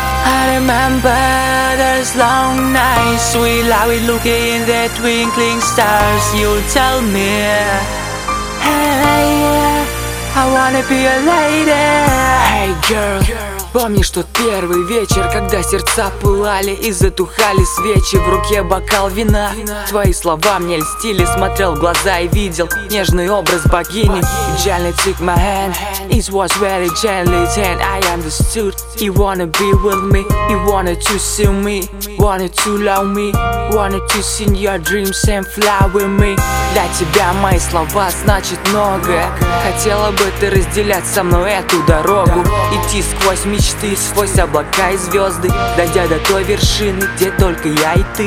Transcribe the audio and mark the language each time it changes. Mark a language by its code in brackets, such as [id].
[en] I remember those long nights we lie looking in the twinkling stars. You'll tell me, hey, I wanna be a lady. Hey girl, [ru] помнишь тот первый вечер, когда сердца пылали и затухали свечи, в руке бокал вина. Твои слова мне льстили, смотрел в глаза и видел нежный образ богини. [en] Gently took my hand, it was very gently then I understood. You wanna be with me, you wanted to see me, wanted to love me, wanted to sing your dreams and fly with me. [ru] Для тебя мои слова значит многое. Хотела бы ты разделять со мной эту дорогу, идти сквозь мечты, сквозь облака и звезды, дойдя до той вершины, где только я и ты.